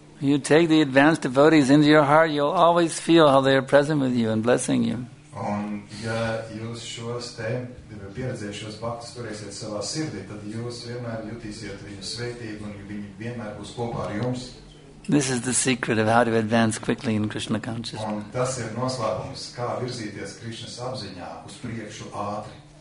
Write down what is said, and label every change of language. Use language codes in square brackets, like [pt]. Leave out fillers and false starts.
[en] You take the advanced devotees into your heart, you'll always feel how they are present with you and blessing you. [lv] Un ja jūs šos te pieredzējušos baktus turēsiet savā sirdī, tad jūs vienmēr jūtīsiet viņu sveitību un viņi vienmēr būs kopā ar jums. [en] This is the secret of how to advance quickly in Krishna consciousness. [lv] Un tas ir noslēpums, kā virzīties Krišnas apziņā uz priekšu ātri.